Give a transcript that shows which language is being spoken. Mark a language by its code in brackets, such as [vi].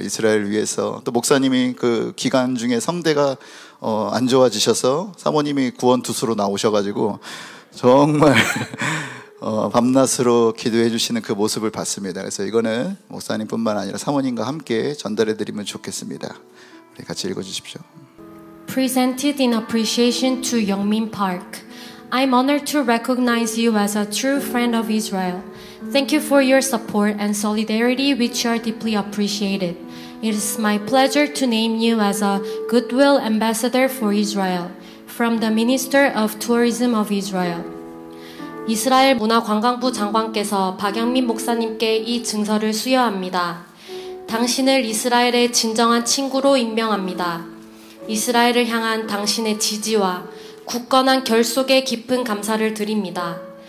[ko] 이스라엘 위해서. 또 목사님이 그 기간 중에 성대가 안 좋아지셔서 사모님이 구원투수로 나오셔가지고 정말 밤낮으로 기도해 주시는 그 모습을 봤습니다. 그래서 이거는 목사님뿐만 아니라 사모님과 함께 전달해 드리면 좋겠습니다. 우리 같이 읽어주십시오. [en] Presented in appreciation to Yongmin Park. I'm honored to recognize you as a true friend of Israel. Thank you for your support and solidarity, which are deeply appreciated. It is my pleasure to name you as a goodwill ambassador for Israel from the Minister of Tourism of Israel. [ko] 이스라엘 문화관광부 장관께서 박영민 목사님께 이 증서를 수여합니다. 당신을 이스라엘의 진정한 친구로 임명합니다. 이스라엘을 향한 당신의 지지와 굳건한 결속에 깊은 감사를 드립니다.